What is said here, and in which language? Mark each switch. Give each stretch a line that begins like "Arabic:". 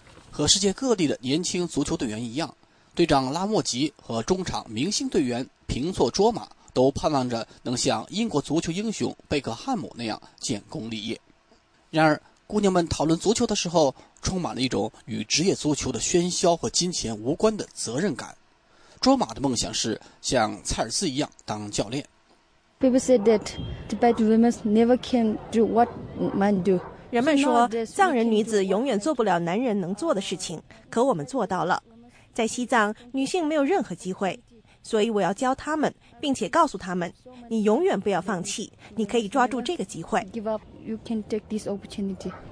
Chinese: 和世界各地的年轻足球队员一样，队长拉莫吉和中场明星队员平措卓玛都盼望着能像英国足球英雄贝克汉姆那样建功立业。然而姑娘们讨论足球的时候，充满了一种与职业足球的喧嚣和金钱无关的责任感。卓玛的梦想是像蔡尔斯一样当教练。
English: People say that Tibetan women never can do what men do.
Chinese: 人们说藏人女子永远做不了男人能做的事情，可我们做到了。在西藏，女性没有任何机会，所以我要教她们，并且告诉她们，你永远不要放弃，你可以抓住这个机会。
English: Give up, you can take this opportunity.